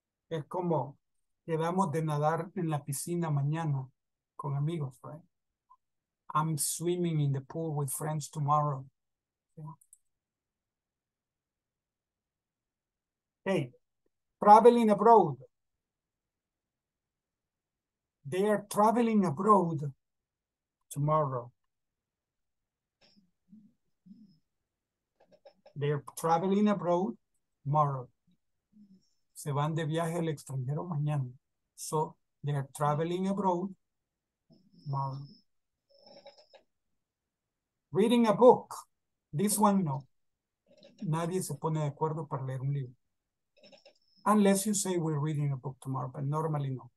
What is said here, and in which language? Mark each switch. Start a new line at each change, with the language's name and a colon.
Spanish: Es como quedamos de nadar en la piscina mañana con amigos, right?
English: I'm swimming in the pool with friends tomorrow. Hey, traveling abroad. They are traveling abroad tomorrow. They are traveling abroad tomorrow.
Spanish: Se van de viaje al extranjero mañana.
English: So they are traveling abroad tomorrow. Reading a book. This one, no.
Spanish: Nadie se pone de acuerdo para leer un libro.
English: Unless you say we're reading a book tomorrow, but normally no.